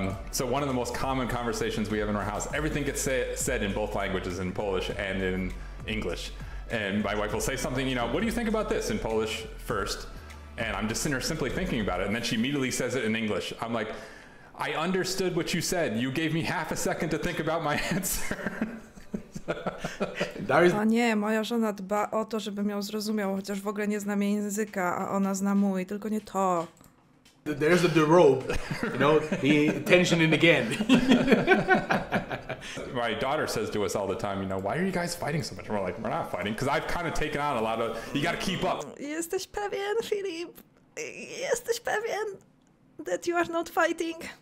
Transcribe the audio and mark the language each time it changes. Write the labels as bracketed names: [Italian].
[English] So one of the most common conversations we have in our house, everything gets said in both languages, in Polish and in English. And my wife will say something, you know, what do you think about this, in Polish first? And I'm just sitting there simply thinking about it. And then she immediately says it in English. I'm like, I understood what you said. You gave me half a second to think about my answer. [Polish] A nie, moja żona dba o to, żebym ją zrozumiał, chociaż w ogóle nie znam jej języka, a ona zna mój, tylko nie to. [English] There's the rope, you know, the tension in again. My daughter says to us all the time, you know, why are you guys fighting so much? And we're like, we're not fighting, because I've kind of taken on a lot of, you got to keep up. [Polish] Jesteś pewien, Filip? Jesteś pewien [English] that you are not fighting?